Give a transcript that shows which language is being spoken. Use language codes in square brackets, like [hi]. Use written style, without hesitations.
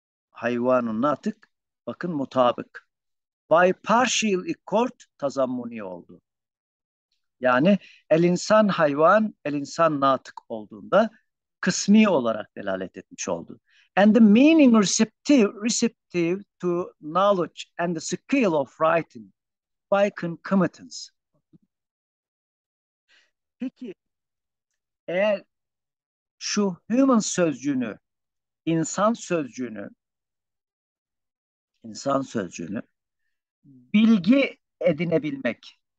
[tr] Hayvanın natık, bakın mutabık. [en] By partial accord [tr] tazammuni oldu. Yani el insan hayvan, el insan natık olduğunda kısmi olarak delalet etmiş oldu. [en] And the meaning receptive to knowledge and the skill of writing by concomitance. [tr] Peki eğer şu human sözcüğünü, insan sözcüğünü bilgi edinebilmek,